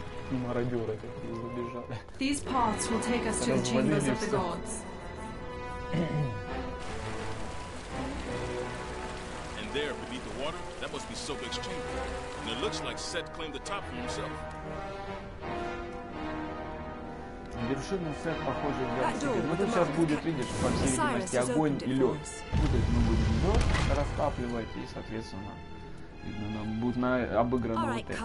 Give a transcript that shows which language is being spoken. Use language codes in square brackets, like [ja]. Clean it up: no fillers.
[ru] Мародеры какие забежали. [en] These paths will take us to the chambers of the gods. And there, beneath the water, that must be Sobek's chamber. And it looks like Set claimed the top for himself. [ru] Вершину Сет, похоже, взял себе. Ну, ты сейчас будет, видишь, по всей видимости, огонь и лед. Будет, мы будем лед растапливать, и, соответственно, видно, нам будет на обыграно вот это.